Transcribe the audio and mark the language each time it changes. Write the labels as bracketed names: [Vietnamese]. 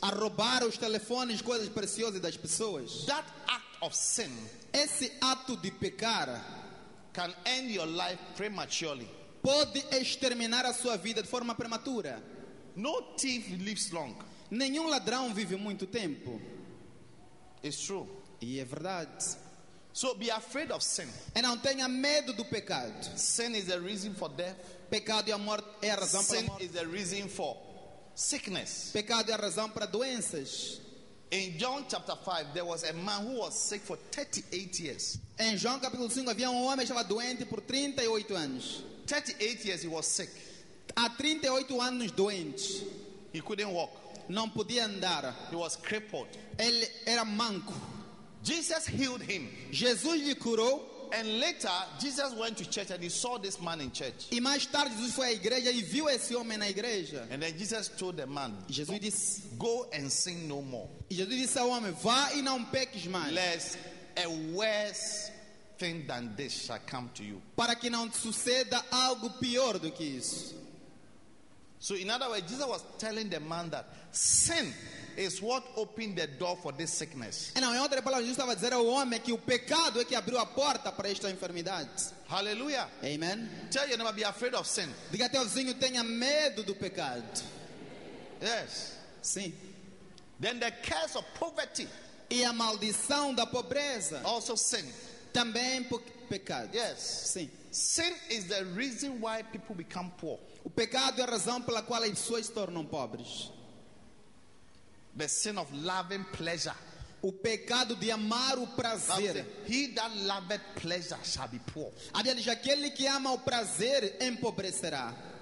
[Portuguese] a roubar os telefones, coisas preciosas das pessoas, [English] that act of sin, [Portuguese] esse ato de pecar, [English] can end your life prematurely. [Portuguese] Pode exterminar a sua vida de forma prematura. [English] No thief lives long. [Portuguese] Nenhum ladrão vive muito tempo. [English] It's true. [Portuguese] E é verdade. [English] So be afraid of sin. [Portuguese] E não tenha medo do pecado. [English] Sin is the reason for death. [Portuguese] Pecado e a morte é a razão para a morte. [English] Sin is the reason for sickness. [Portuguese] Pecado é a razão para doenças. [English] In John chapter 5, there was a man who was sick for 38 years. [Portuguese] Em João capítulo 5 havia um homem que estava doente por 38 anos. [English] 38 years he was sick. [Portuguese] Há 38 anos doente. [English] He couldn't walk. [Portuguese] Não podia andar. [English] He was crippled. [Portuguese] Ele era manco. [English] Jesus healed him. [Portuguese] Jesus lhe curou. [English] And later, Jesus went to church and he saw this man in church. [Portuguese] E mais tarde Jesus foi à igreja e viu esse homem na igreja. [English] And then Jesus told the man, [Portuguese] Jesus disse, [English] go and sin no more. [Portuguese] E Jesus disse ao homem, vá e não peques mais. [English] Lest a worse thing than this shall come to you. [Portuguese] Para que não te suceda algo pior do que isso. [English] So in other words, Jesus was telling the man that sin is what opened the door for this sickness. [Portuguese] E não, em outra palavra, Jesus estava dizendo ao homem que o pecado é que abriu a porta para esta enfermidade. [English] Hallelujah. [Portuguese] Amen. [English] Tell you never be afraid of sin. [Portuguese] Diga ao teu vizinho, tenha medo do pecado. [English] Yes. [Portuguese] Sim. [English] Then the curse of poverty. [Portuguese] E a maldição da pobreza. [English] Also sin. [Portuguese] Também pecado. [English] Yes. [Portuguese] Sim. [English] Sin is the reason why people become poor. [Portuguese] O pecado é a razão pela qual as pessoas se tornam pobres. [English] The sin of loving pleasure. [Portuguese] O pecado de amar o prazer. [English] He that loveth pleasure shall be poor. [Portuguese] A Bíblia diz, aquele que ama o prazer empobrecerá.